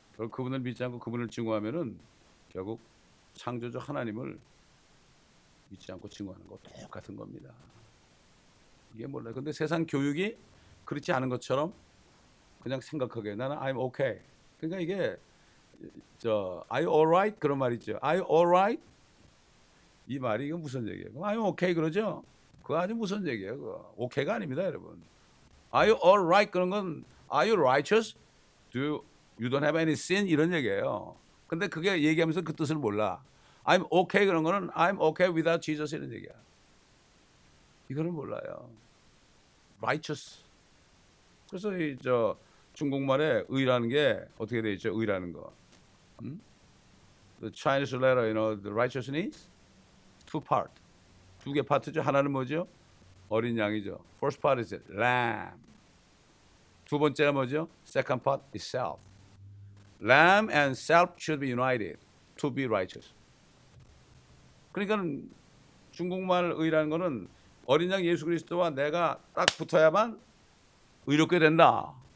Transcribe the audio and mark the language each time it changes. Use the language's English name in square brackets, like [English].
[Korean] 그분을 믿지 않고 그분을 증오하면은 결국 창조주 하나님을 믿지 않고 증오하는 거 똑같은 겁니다. 이게 몰라요. 근데 세상 교육이 그렇지 않은 것처럼 그냥 생각하게 나는 [English] I'm okay. [Korean] 그러니까 이게 [English] Are you alright? [Korean] 그런 말이죠. [English] Are you alright? [Korean] 이 말이 이거 무슨 얘기예요? [English] I'm okay [Korean] 그러죠? 그거 아주 무슨 얘기예요? 그거. Okay가 아닙니다, 여러분. [English] Are you alright? [Korean] 그런 건 [English] Are you righteous? Do You don't have any sin [Korean] 이런 얘기예요. 근데 그게 얘기하면서 그 뜻을 몰라. [English] I'm okay [Korean] 그런 거는 [English] I'm okay without Jesus [Korean] 이런 얘기야. 이거는 몰라요. Righteous. 그래서 중국말에 의라는 게 어떻게 돼 있죠? 의라는 거. 응? [English] The Chinese letter, you know, the righteousness, two part. [Korean] 두개 파트죠. 하나는 뭐죠? 어린 양이죠. [English] First part is lamb. [Korean] 두 번째는 뭐죠? [English] Second part is self. Lamb and self should be united to be righteous. [Korean] 그러니까 중국말 의라는 거는 어린 양 예수 그리스도와 내가 딱 붙어야만 의롭게 된다.